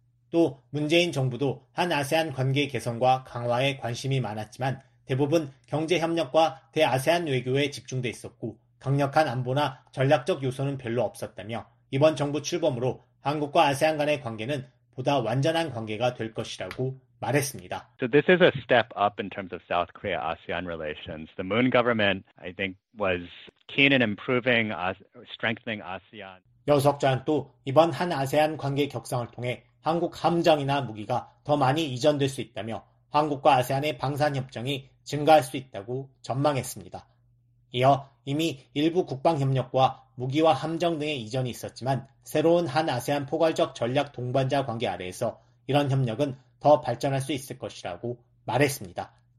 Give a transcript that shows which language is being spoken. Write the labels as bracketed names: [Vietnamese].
[Korean] 또 문재인 정부도 한 아세안 관계 개선과 강화에 관심이 많았지만 대부분 경제협력과 대아세안 외교에 집중돼 있었고 강력한 안보나 전략적 요소는 별로 없었다며 이번 정부 출범으로 한국과 아세안 간의 관계는 보다 완전한 관계가 될 것이라고 말했습니다. [English] So this is a step up in terms of South Korea-ASEAN relations. The Moon government, I think, was keen in improving, strengthening ASEAN. [Korean] 여석자는 또 이번 한 아세안 관계 격상을 통해 한국 함정이나 무기가 더 많이 이전될 수 있다며 한국과 아세안의 방산협정이 증가할 수 있다고 전망했습니다. 이어 이미 일부 국방협력과 무기와 함정 등의 이전이 있었지만 새로운 한 아세안 포괄적 전략 동반자 관계 아래에서 이런 협력은 더 발전할 수 있을 것이라고 말했습니다.